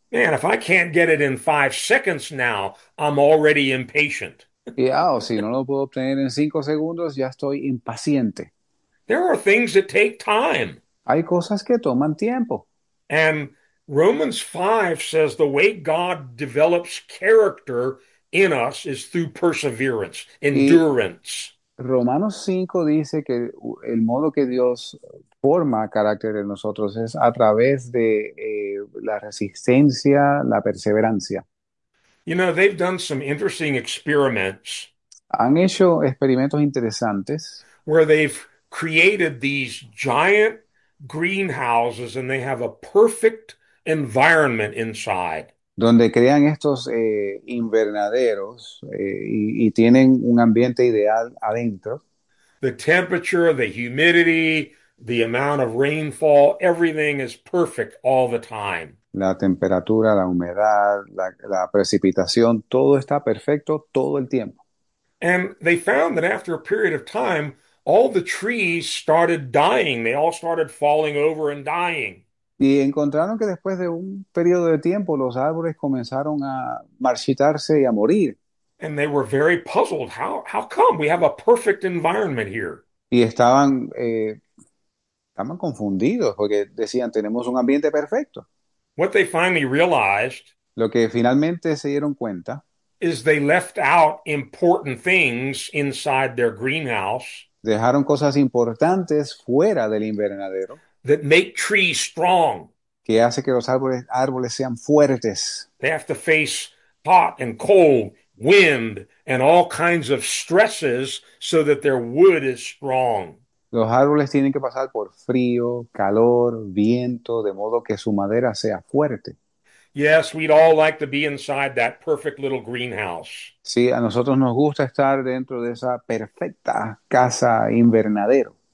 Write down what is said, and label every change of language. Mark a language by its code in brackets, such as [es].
[en] Man, if I can't get it in 5 seconds now, I'm already impatient. [es] Y si no lo puedo obtener en 5 segundos, ya estoy impaciente. [en] There are things that take time. [es] Hay cosas que toman tiempo. [en] And Romans 5 says the way God develops character in us is through perseverance, [es] Y [en] endurance. [es] Romanos 5 dice que el modo que Dios forma carácter en nosotros es a través de la resistencia, la perseverancia. [en] You know, they've done some interesting experiments [es] Han hecho experimentos interesantes. [en] where they've created these giant greenhouses and they have a perfect environment inside. [es] Donde crean estos invernaderos y tienen un ambiente ideal adentro. [en] The temperature, the humidity, the amount of rainfall, everything is perfect all the time. [es] La temperatura, la humedad, la precipitación, todo está perfecto todo el tiempo. [en] And they found that after a period of time, all the trees started dying. They all started falling over and dying. [es] Y encontraron que después de un periodo de tiempo los árboles comenzaron a marchitarse y a morir. [en] And they were very puzzled. How come we have a perfect environment here? [es] Y estaban confundidos porque decían, tenemos un ambiente perfecto. [en] What they finally realized [es] Lo que finalmente se dieron cuenta [en] is they left out important things inside their greenhouse [es] dejaron cosas importantes fuera del invernadero [en] that make trees strong. [es] que hace que los árboles sean fuertes. [en] They have to face hot and cold, wind, and all kinds of stresses so that their wood is strong. [es] Los árboles tienen que pasar por frío, calor, viento, de modo que su madera sea fuerte. [en] Yes, we'd all like to be inside that perfect little greenhouse. [es] Sí, a nosotros nos gusta estar dentro de esa perfecta casa invernadero.